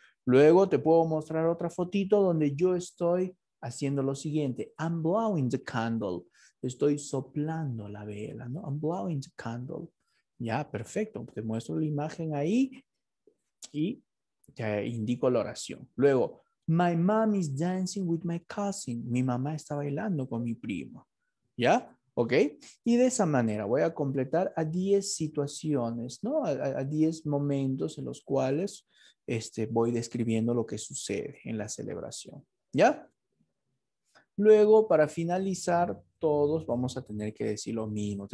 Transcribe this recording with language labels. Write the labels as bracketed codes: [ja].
[es] Luego te puedo mostrar otra fotito donde yo estoy haciendo lo siguiente. [en] I'm blowing the candle. [es] Estoy soplando la vela, ¿no? [en] I'm blowing the candle. [es] Ya, perfecto. [en] Te muestro la imagen ahí y te indico la oración. Luego, my mom is dancing with my cousin. [es] Mi mamá está bailando con mi primo. ¿Ya? ¿Ok? Y de esa manera voy a completar a 10 situaciones, ¿no? A 10 momentos en los cuales voy describiendo lo que sucede en la celebración. ¿Ya? Luego, para finalizar, todos vamos a tener que decir lo mismo.